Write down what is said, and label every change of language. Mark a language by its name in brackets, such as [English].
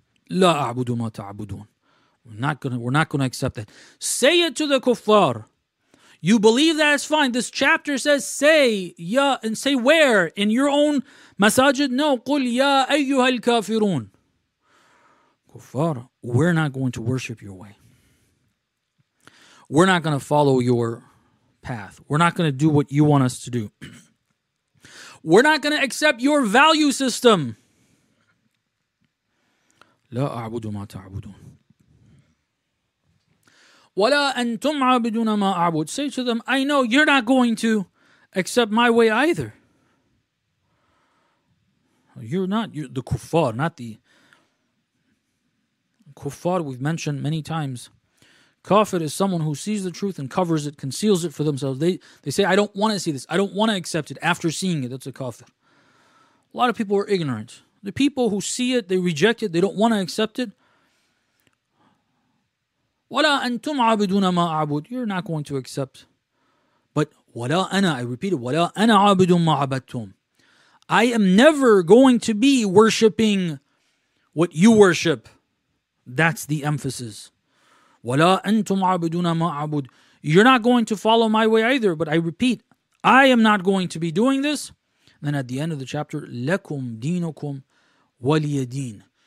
[Arabic] لا أعبد ما تعبدون. [English] We're not gonna accept that. Say it to the kuffar. You believe that is fine. This chapter says say ya and say where in your own masajid. No, [Arabic] قل يا أيها الكافرون. [English] Kuffar, we're not going to worship your way. We're not going to follow your path. We're not going to do what you want us to do. We're not going to accept your value system. [Arabic] لا أعبد ما تعبدون ولا أنتم عابدون ما أعبد. [English] Say to them, I know you're not going to accept my way either. You're the kuffar, not the kuffar we've mentioned many times. Kafir is someone who sees the truth and covers it, conceals it for themselves. They say, I don't want to see this. I don't want to accept it after seeing it. That's a kafir. A lot of people are ignorant. The people who see it, they reject it. They don't want to accept it. [Arabic] وَلَا أَنْتُمْ عَابِدُونَ مَا أَعْبُدُ. [English] You're not going to accept. [Arabic] But وَلَا أَنَا, [English] I repeat it, [Arabic] وَلَا أَنَا عَابِدٌ مَا عَبَدْتُمْ. [English] I am never going to be worshipping what you worship. That's the emphasis. [Arabic] وَلَا أَنْتُمْ عَابِدُونَ مَا أَعْبُدُ. [English] You're not going to follow my way either. But I repeat, I am not going to be doing this. Then at the end of the chapter, [Arabic] لَكُمْ دِينُكُمْ وَلِيَ دِينَ.